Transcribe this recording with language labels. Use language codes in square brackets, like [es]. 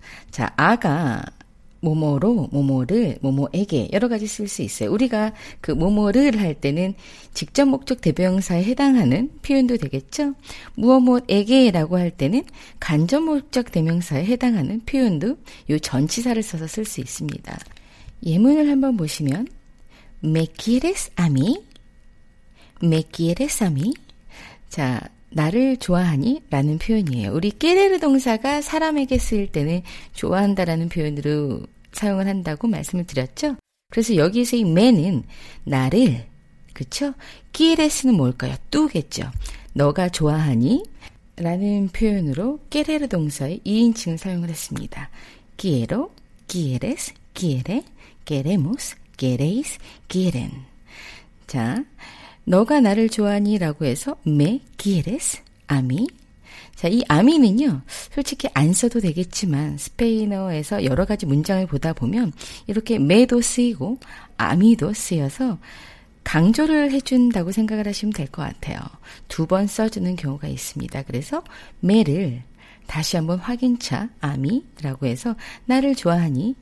[ko] 자, 아가 뭐뭐로, 뭐뭐를, 뭐뭐에게 여러 가지 쓸 수 있어요. 우리가 그 뭐뭐를 할 때는 직접 목적 대명사에 해당하는 표현도 되겠죠? 무엇무엇에게라고 할 때는 간접 목적 대명사에 해당하는 표현도 이 전치사를 써서 쓸 수 있습니다. 예문을 한번 보시면 [es] Me quieres a mí? Me quieres a mí? [ko] 자, 나를 좋아하니? 라는 표현이에요. 우리 꾀레르 동사가 사람에게 쓰일 때는 좋아한다라는 표현으로 사용을 한다고 말씀을 드렸죠. 그래서 여기에서 이 me는 나를, 그쵸? 꾀레스는 뭘까요? 뚜겠죠. 너가 좋아하니? 라는 표현으로 꾀레르 동사의 2인칭을 사용을 했습니다. [es] quiero, quieres, quiere, queremos, queréis, quieren. [ko] 자, 너가 나를 좋아하니? 라고 해서 [es] me quieres a mí. [ko] 자, 이 a mí는요 솔직히 안 써도 되겠지만 스페인어에서 여러가지 문장을 보다 보면 이렇게 me도 쓰이고 a mí도 쓰여서 강조를 해준다고 생각을 하시면 될 것 같아요. 두 번 써주는 경우가 있습니다. 그래서 me를 다시 한번 확인차 a mí라고 해서 나를 좋아하니?